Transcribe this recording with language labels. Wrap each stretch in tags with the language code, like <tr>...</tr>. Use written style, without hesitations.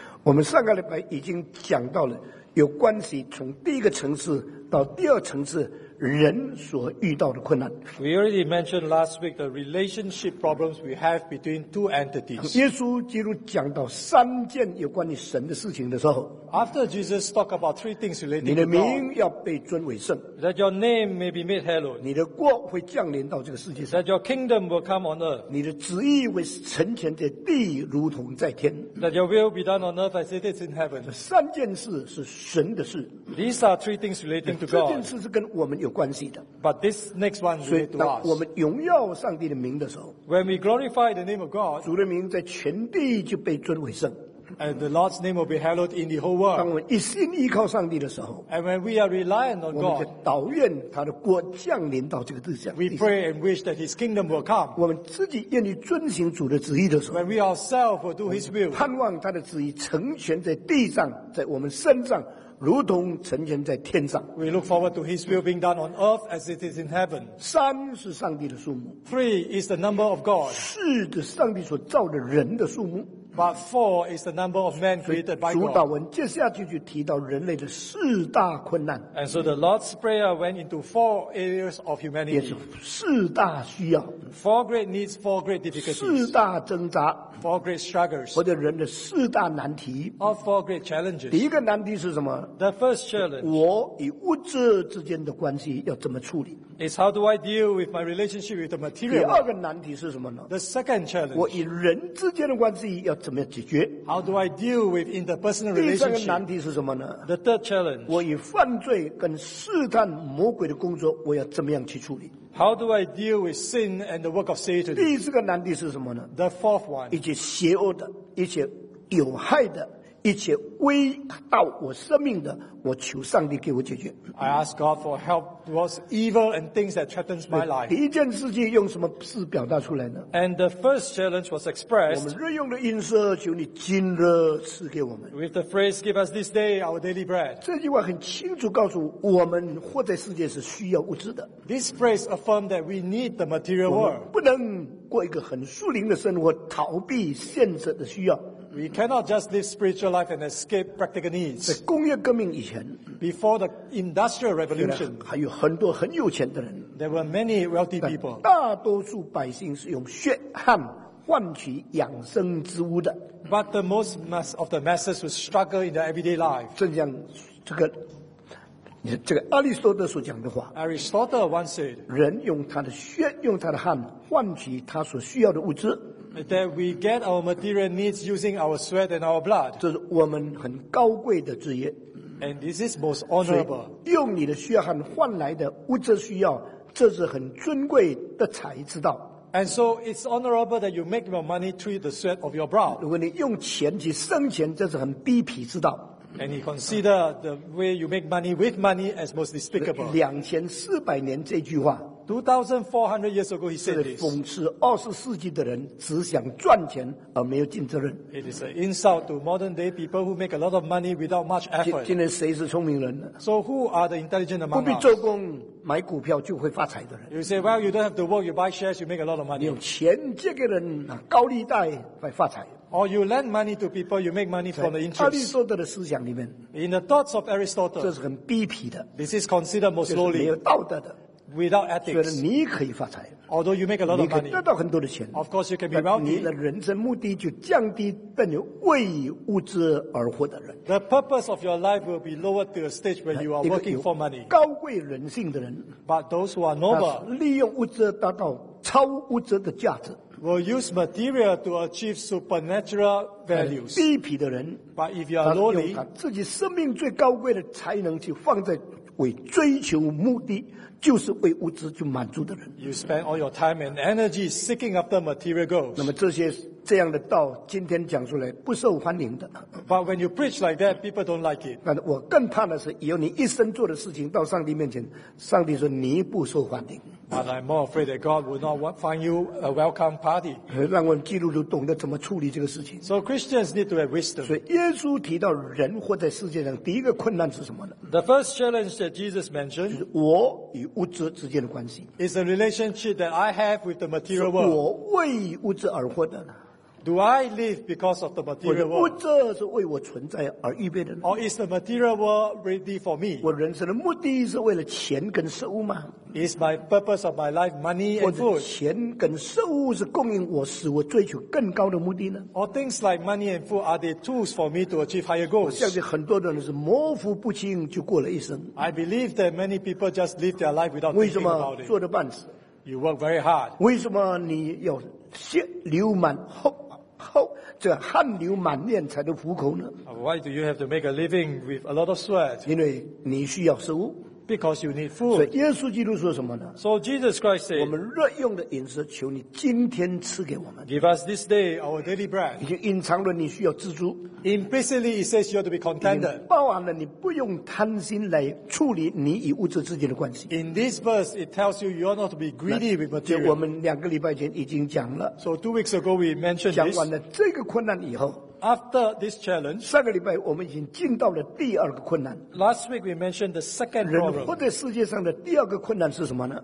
<zh>我们上个礼拜已经讲到了有关系从第一个层次到第二层次人所遇到的困难。</zh> <en>We already mentioned last week the relationship problems we have between two entities.</en> <zh>耶稣基督讲到三件有关于神的事情的时候，</zh> <en>After Jesus talked about three things related to God,</en> <zh>你的名要被尊为圣，</zh> <en>That your name may be made hallowed,</en> <zh>你的国会降临到这个世界上，</zh> <en>That your kingdom will come on earth,</en> <zh>你的旨意会成全在地如同在天，</zh> <en>That your will be done on earth as it is in heaven.</en> <zh>这三件事是神的事，</zh> <en>These are three things related to God.</en> <zh>这件事是跟我们有关系的。</zh> <en>But this next one is related to us.</en> <zh>所以，当我们荣耀上帝的名的时候，</zh> <en>When we glorify the name of God,</en> <zh>主的名在全地就被尊为圣。</zh> <en>And the Lord's name will be hallowed in the whole world.</en> <zh>当我们一心依靠上帝的时候，</zh> <en>And when we are reliant on God,</en> <zh>我们就祷愿他的国降临到这个地上。</zh> <en>We pray and wish that His kingdom will come.</en> <zh>我们自己愿意遵行主的旨意的时候，</zh> <en>When we ourselves will do His will,</en> <zh>盼望他的旨意成全在地上，在我们身上，如同成全在天上。</zh> <en>We look forward to His will being done on earth as it is in heaven.</en> <zh>三是上帝的数目。</zh> <en>Three is the number of God.</en> <zh>四是上帝所造的人的数目。</zh> <en>But four is the number of men created by God.</en> <zh>主祷文接下去就提到人类的四大困难。</zh> <en>And so the Lord's prayer went into four areas of humanity.</en> <zh>也是四大需要。</zh> <en>Four great needs, four great difficulties.</en> <zh>四大挣扎。</zh> <en>Four great struggles.</en> <zh>或者人的四大难题。</zh> <en>Or four great challenges.</en> <zh>第一个难题是什么？</zh> <en>The first challenge.</en> <zh>我与物质之间的关系要怎么处理？</zh> <en>Is how do I deal with my relationship with the material?</en> <zh>第二个难题是什么呢？</zh> <en>The second challenge.</en> <zh>我与人之间的关系要怎么解决？</zh> <en>How do I deal with interpersonal relationship?</en> <zh>第三个难题是什么呢？</zh> <en>The third challenge.</en> <zh>我与犯罪跟试探魔鬼的工作，我要怎么样去处理？</zh> <en>How do I deal with sin and the work of Satan?</en> <zh>第四个难题是什么呢？</zh> <en>The fourth one.</en> <zh>一切邪恶的，一切有害的，一切危到我生命的，我求上帝给我解决。</zh> <en>I ask God for help towards evil and things that threatens my life.</en> <zh>第一件事情用什么事表达出来呢？</zh> <en>And the first challenge was expressed.</en> <zh>我们日用的饮食，求你今日赐给我们。</zh> <en>With the phrase, "Give us this day our daily bread."</en> <zh>这句话很清楚告诉我们，活在世界是需要物质的。</zh> <en>This phrase affirms that we need the material world.</en> <zh>我们不能过一个很属灵的生活，逃避现实的需要。</zh> <en>We cannot just live spiritual life and escape practical needs.</en> <zh>在工业革命以前，</zh> <en>before the industrial revolution,</en> <zh>还有很多很有钱的人，</zh> <en>there were many wealthy people.</en> <zh>大多数百姓是用血汗换取养生之物的。</zh> <en>But the most mass of the masses would struggle in their everyday life.</en> <zh>正像这个阿里斯多德所讲的话，</zh> <en>Aristotle once said,</en> <zh>人用他的血用他的汗换取他所需要的物质。</zh> <en>that we get our material needs using our sweat and our blood.</en> <zh>这是我们很高贵的职业。</zh> <en>And this is most honorable.</en> <zh>用你的血汗换来的物质需要，这是很尊贵的财之道。</zh> <en>And so it's honorable that you make your money through the sweat of your brow.</en> <zh>如果你用钱去生钱，这是很卑鄙之道。</zh> <en>And he considered the way you make money with money as most despicable.</en> <zh>2400年这句话。</zh> <en>2400 years ago, he said this.</en> <zh>是讽刺二十世纪的人只想赚钱而没有尽责任。</zh> <en>It is an insult to modern day people who make a lot of money without much effort.</en> <zh>今天谁是聪明人呢？</zh> <en>So who are the intelligent among us?</en> <zh>不必做工买股票就会发财的人。</zh> <en>You say, well, you don't have to work, you buy shares, you make a lot of money.</en> <zh>有钱借给人高利贷会发财。</zh> <en>Or you lend money to people, you make money from the interest.</en> <zh>阿里士多德的思想里面。</zh> <en>In the thoughts of Aristotle.</en> <zh>这是很卑鄙的。</zh> <en>This is considered most lowly.</en> <zh>就是没有道德的。</zh> <en>Without ethics.</en> <zh>觉得你可以发财。</zh> <en>Although you make a lot of money.</en> <zh>你可以得到很多的钱。</zh> <en>Of course you can be wealthy.</en> <zh>你的人生目的就降低到你为物质而活的人。</zh> <en>The purpose of your life will be lowered to a stage where you are working for money.</en> <zh>高贵人性的人。</zh> <en>But those who are noble.</en> <zh>利用物质达到超物质的价值。</zh> <en>Will use material to achieve supernatural values.</en> <zh>卑鄙的人，</zh> <en>but if you are lowly,</en> <zh>他用他自己生命最高贵的才能去放在为追求目的，就是为物质去满足的人。</zh> <en>You spend all your time and energy seeking after material goals.</en> <zh>那么这些这样的道，今天讲出来不受欢迎的。</zh> <en>But when you preach like that, people don't like it.</en> <zh>但我更怕的是，以后你一生做的事情到上帝面前，上帝说你不受欢迎。</zh> <en>But I'm more afraid that God will not find you a welcome party.</en> <zh>让我们基督徒懂得怎么处理这个事情。</zh> <en>So Christians need to have wisdom.</en> <zh>所以耶稣提到人活在世界上第一个困难是什么呢？</zh> <en>The first challenge that Jesus mentioned</en> <zh>就是我与物质之间的关系。</zh> <en>Is the relationship that I have with the material world.</en> <zh>是我为物质而活的呢？</zh> <en>Do I live because of the material world?</en> <zh>我的物质是为我存在而预备的。</zh> <en>Or is the material world ready for me?</en> <zh>我人生的目的是为了钱跟食物吗？</zh> <en>Is my purpose of my life money and food?</en> <zh>或者钱跟食物是供应我使我追求更高的目的呢？</zh> <en>Or things like money and food are they tools for me to achieve higher goals?</en> <zh>我相信很多人是模糊不清就过了一生。</zh> <en>I believe that many people just live their life without thinking about it.</en> <zh>为什么做得半死？</zh> <en>You work very hard.</en> <zh>为什么你要血流满后？这汗流满面才能糊口呢？</zh> <en>Why do you have to make a living with a lot of sweat?</en> <zh>因为你需要食物。</zh> <en>Because you need food.</en> <zh>所以耶稣基督说什么呢？</zh> <en>So Jesus Christ said,</en> <zh>我们日用的饮食求你今天赐给我们。</zh> <en>Give us this day our daily bread.</en> <zh>已经隐藏了你需要知足。</zh> <en>Implicitly it says you have to be contented.</en> <zh>包含了你不用贪心来处理你与物质之间的关系。</zh> <en>In this verse it tells you you are not to be greedy with material.</en> <zh>我们两个礼拜前已经讲了。</zh> <en>So 2 weeks ago we mentioned this.</en> <zh>讲完了这个困难以后，</zh> <en>After this challenge,</en> <zh>上个礼拜我们已经进到了第二个困难。</zh> <en>Last week we mentioned the second problem.</en> <zh>人活在世界上的第二个困难是什么呢？</zh>